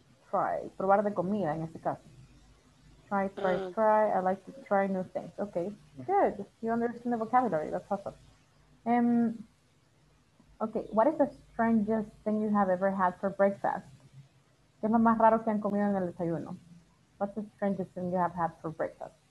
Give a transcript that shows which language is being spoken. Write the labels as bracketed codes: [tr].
[en] Try. [es] Probar de comida, en este caso. [en] Try. I like to try new things. Okay, good. You understand the vocabulary. That's awesome. Okay, what is the strangest thing you have ever had for breakfast? [es] ¿Qué es lo más raro que han comido en el desayuno? [en] What's the strangest thing you have had for breakfast?